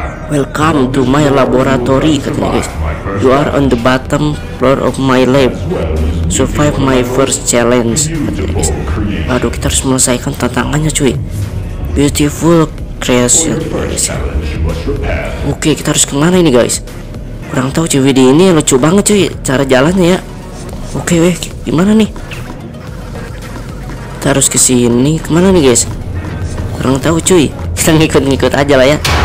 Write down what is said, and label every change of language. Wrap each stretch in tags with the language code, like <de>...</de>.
<en>Welcome to my laboratory katanya guys. You are on the bottom floor of my lab. Survive my first challenge katanya guys.</en> <id>Aduh, kita harus menyelesaikan tantangannya cuy.</id> <en>Beautiful creation guys.</en> <id>Oke, kita harus kemana ini guys? Kurang tahu cuy, di ini lucu banget cuy cara jalannya ya. Oke, weh, gimana nih? Kita harus ke sini, kemana nih guys? Kurang tahu cuy, kita ngikut-ngikut aja lah ya.</id>